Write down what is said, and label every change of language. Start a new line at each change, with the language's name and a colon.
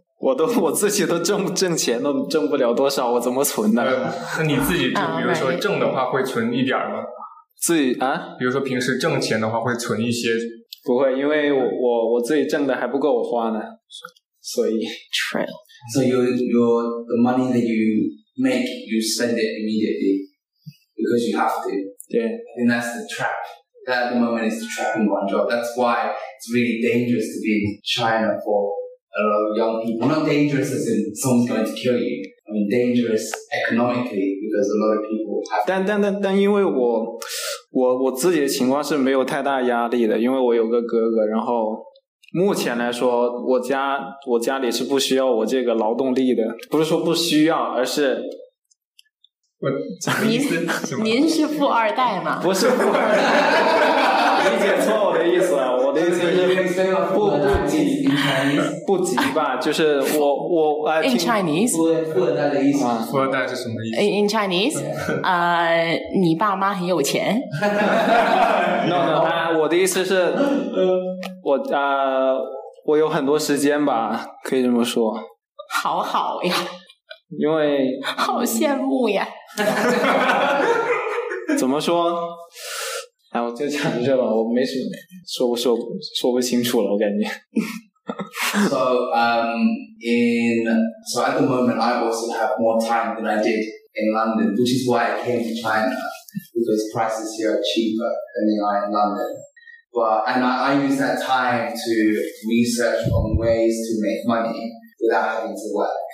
Chinese: 我自己都挣钱都挣不了多少，我怎么存呢？那你自己就比如说挣的话会存一点吗？自己啊？比如说平时挣钱的话会存一些？不会，因为我自己挣的还不够我花呢，所以。
English: True. So your the money that you make, you spend it immediately because you have to. Yeah. And that's the trap. That at the moment is the trap in Guangzhou. That's why it's really dangerous to be in China for a lot of young people. Not dangerous as in someone's going to kill you. I mean, dangerous economically because a lot of people have...
Chinese: 但因为我自己的情况是没有太大压力的，因为我有个哥哥，然后目前来说我家里是不需要我这个劳动力的。不是说不需要，而是我您是富二代吗？不是富二代。理解错我的意思了。我的意思是不急吧，就是我
English: in Chinese
Chinese: 富二代是什么意思
English: in Chinese
Chinese: 你爸妈很有钱
English: no
Chinese: 我的意思是我有很多时间吧，可以这么说。好好呀，因为好羡慕呀。怎么说？哎，我就讲这吧，我没什么说不清楚了，我感觉。
English: So at the moment I also have more time than I did in London, which is why I came to China because prices here are cheaper than they are in London. But I use that time to research on ways to make money without having to work.